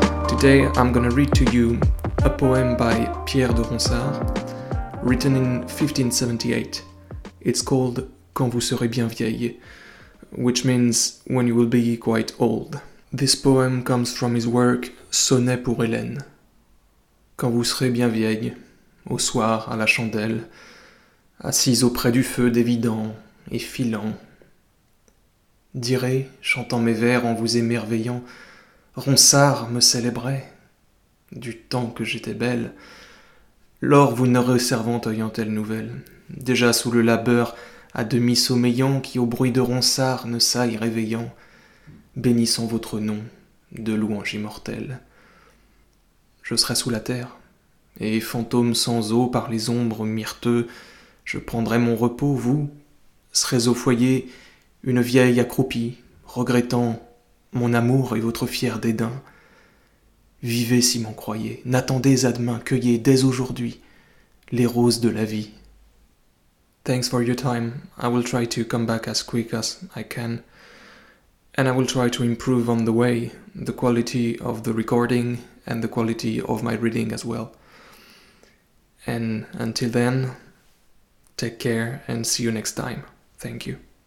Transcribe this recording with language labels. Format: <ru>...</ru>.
<en>Today I'm gonna read to you a poem by Pierre de Ronsard, written in 1578. It's called Quand vous serez bien vieille, which means when you will be quite old. This poem comes from his work Sonnet pour Hélène.</en> <fr>Quand vous serez bien vieille, au soir à la chandelle, assise auprès du feu dévidant et filant, dirai, chantant mes vers en vous émerveillant, Ronsard me célébrait, du temps que j'étais belle, lors vous n'aurez servante ayant telle nouvelle, déjà sous le labeur à demi sommeillant qui au bruit de Ronsard ne s'aille réveillant, bénissant votre nom de louange immortelle. Je serai sous la terre, et fantôme sans eau par les ombres myrteux, je prendrai mon repos, vous serez au foyer, une vieille accroupie, regrettant mon amour et votre fier dédain. Vivez si m'en croyez, n'attendez à demain, cueillez dès aujourd'hui les roses de la vie.</fr> <en>Thanks for your time. I will try to come back as quick as I can. And I will try to improve on the way, the quality of the recording and the quality of my reading as well. And until then, take care and see you next time. Thank you.</en>